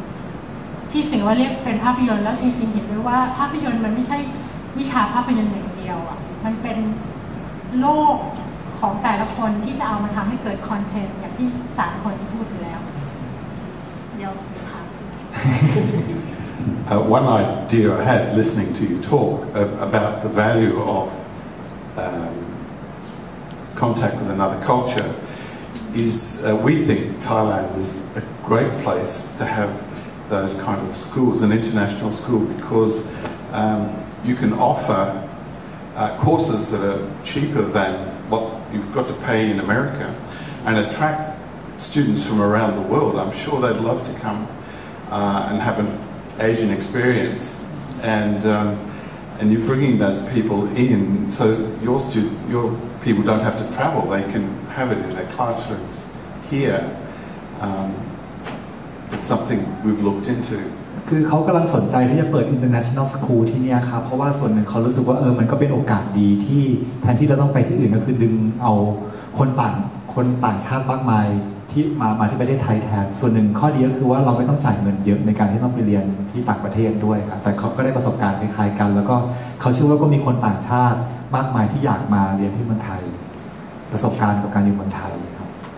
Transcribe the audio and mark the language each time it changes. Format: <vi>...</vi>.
<th>ำที่สิ่งว่าเรียกเป็นภาพยนตร์แล้วจริงๆเห็นด้วยว่าภาพยนตร์มันไม่ใช่วิชาภาพยนตร์อย่างเดียวอ่ะมันเป็นโลกของแต่ละคนที่จะเอามาทำให้เกิดคอนเทนต์อย่างที่สามคนพูดแล้วเดี๋ยวค่ะ</th> <en>One idea I had listening to you talk about the value of contact with another culture is we think Thailand is a great place to have those kind of schools, an international school, because you can offer courses that are cheaper than what you've got to pay in America and attract students from around the world. I'm sure they'd love to come and have an Asian experience, and you're bringing those people in, so your people don't have to travel, they can have it in their classrooms here. It's something we've looked into.</en> <th>คือเขากำลังสนใจที่จะเปิด international school ที่นี่ครับเพราะว่าส่วนหนึ่งเขารู้สึกว่ามันก็เป็นโอกาสดีที่แทนที่เราต้องไปที่อื่นก็คือดึงเอาคนต่างชาติมากมายที่มาที่ประเทศไทยแทนส่วนหนึ่งข้อดีก็คือว่าเราไม่ต้องจ่ายเงินเยอะในการที่ต้องไปเรียนที่ต่างประเทศด้วยครับแต่เขาก็ได้ประสบการณ์คล้ายๆกันแล้วก็เขาเชื่อว่าก็มีคนต่างชาติมากมายที่อยากมาเรียนที่เมืองไทยประสบการณ์กับการอยู่เมืองไทยครับ</th>